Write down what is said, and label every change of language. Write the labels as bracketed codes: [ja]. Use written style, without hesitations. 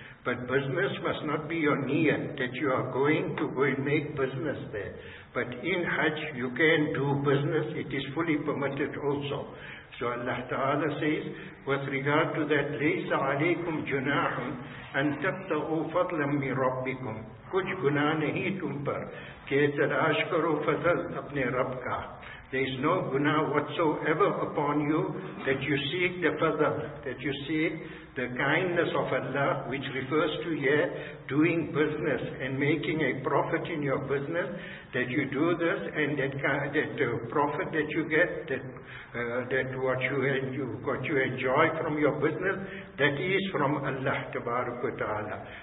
[en] But business must not be your niyyat, that you are going to go and make business there. But in Hajj, you can do business. It is fully permitted also. So Allah Ta'ala says, with regard to that, [ar] لَيْسَ عَلَيْكُمْ جُنَاحٌ أَن تَبْتَغُوا فَضْلًا مِنْ رَبِّكُمْ. [ur] کچھ گناہ نہیں تم پر کہ تلاش کرو فضل اپنے رب کا. [en] There is no guna whatsoever upon you that you seek the fadl, that you seek the kindness of Allah, which refers to doing business and making a profit in your business, that you do this and that profit that you get, that what you enjoy from your business, that is from Allah Tabarak wa Ta'ala.